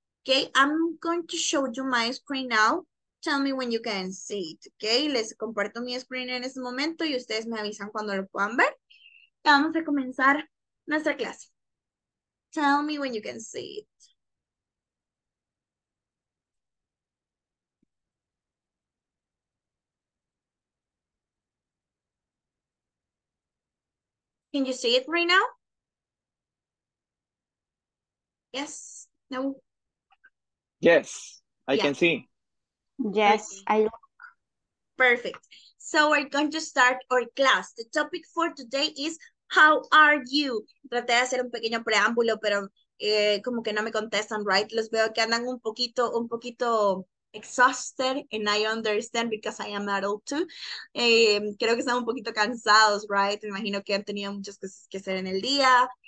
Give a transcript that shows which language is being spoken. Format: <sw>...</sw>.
<en>Okay, I'm going to show you my screen now. Tell me when you can see it, okay?</en> <es>Les comparto mi screen en este momento y ustedes me avisan cuando lo puedan ver. Ya vamos a comenzar nuestra clase.</es> <en>Tell me when you can see it. Can you see it right now? Yes? No? Yes, I can see. Yes, okay. I look. Perfect. So we're going to start our class. The topic for today is how are you?</en> <es>Traté de hacer un pequeño preámbulo, pero como que no me contestan, right? Los veo que andan un poquito</es> <en>exhausted, and I understand because I am adult too.</en> <es>Creo que están un poquito cansados, right? Me imagino que han tenido muchas cosas que hacer en el día.</es>